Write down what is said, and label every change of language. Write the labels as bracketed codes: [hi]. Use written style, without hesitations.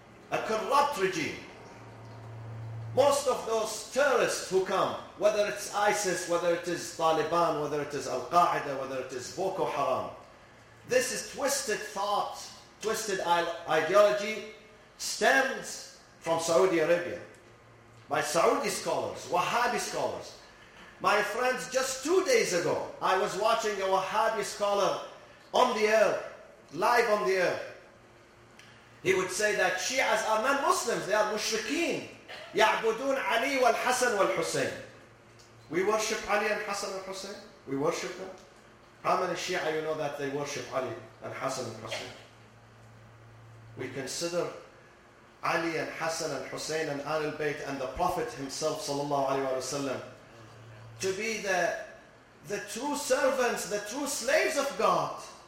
[en] A corrupt regime. Most of those terrorists who come, whether it's ISIS, whether it is Taliban, whether it is Al-Qaeda, whether it is Boko Haram, this is twisted thought, twisted ideology, stems from Saudi Arabia. By Saudi scholars, Wahhabi scholars. My friends, just 2 days ago, I was watching a Wahhabi scholar on the air, live on the air. He would say that Shias are not Muslims, they are mushrikeen. [ar] يَعْبُدُونَ Ali والحسن والحسين. [en] We worship Ali and Hassan and Hussein. We worship them. How many Shia you know that they worship Ali and Hassan and Hussein? We consider Ali and Hassan and Hussein and Ahlul Bayt and the Prophet himself, sallallahu alayhi wa sallam, to be the true servants, the true slaves of God.